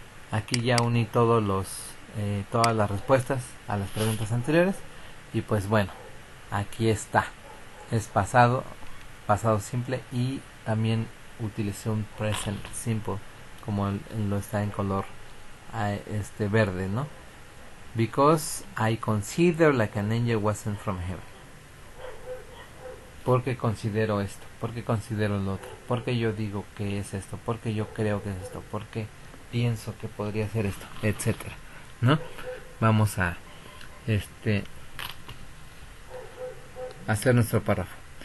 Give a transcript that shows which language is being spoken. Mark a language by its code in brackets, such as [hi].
[es] Aquí ya uní todas las respuestas a las preguntas anteriores y pues bueno, aquí está. Es pasado simple y también utilicé un [en] present simple, [es] como lo está en color verde, ¿no? [en] Because I consider like an angel was sent from heaven. [es] Porque considero esto, porque considero lo otro, porque yo digo que es esto, porque yo creo que es esto, porque pienso que podría ser esto, etcétera, ¿no? Vamos a hacer nuestro párrafo.